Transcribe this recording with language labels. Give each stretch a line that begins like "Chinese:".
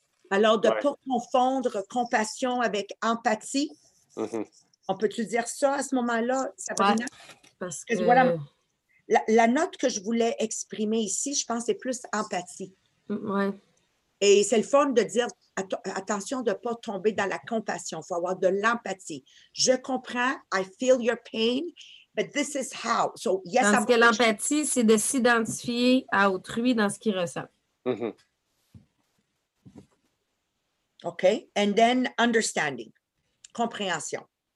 French: Alors, de ne pas confondre compassion avec empathie. Mm-hmm. On peut-tu dire ça à ce moment-là, Sabrina? Ouais, parce que... Voilà. La note que je voulais exprimer ici, je pense, c'est plus empathie. Ouais. Et c'est le fun de dire, attention de ne pas tomber dans la compassion. Il faut avoir de l'empathie. Je comprends,
English: I feel your pain, but this is how. So, yes,
French: parce que l'empathie, c'est de s'identifier à autrui dans ce qu'il ressent. Mm-hmm.
English: OK. And then understanding, compréhension.